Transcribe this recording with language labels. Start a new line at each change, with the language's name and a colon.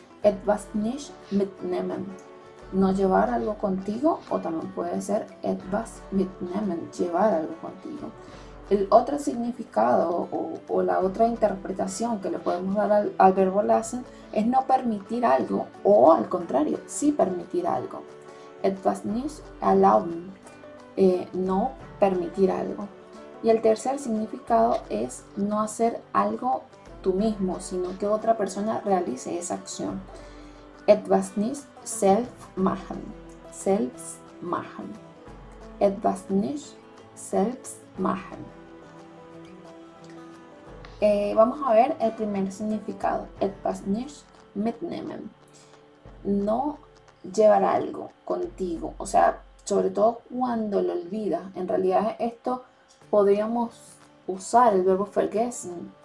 German: Etwas nicht mitnehmen.
Spanish: No llevar algo contigo, o también puede ser
German: etwas mitnehmen,
Spanish: llevar algo contigo. El otro significado o la otra interpretación que le podemos dar al verbo lassen es no permitir algo, o al contrario, sí permitir algo.
German: Etwas nicht erlauben,
Spanish: no permitir algo. Y el tercer significado es no hacer algo tú mismo, sino que otra persona realice esa acción.
German: Etwas nicht selbst machen. Selbst machen. Etwas nicht selbst machen.
Spanish: Vamos a ver el primer significado.
German: Etwas nicht mitnehmen.
Spanish: No llevar algo contigo. O sea, sobre todo cuando lo olvidas. En realidad, esto podríamos usar el verbo vergessen.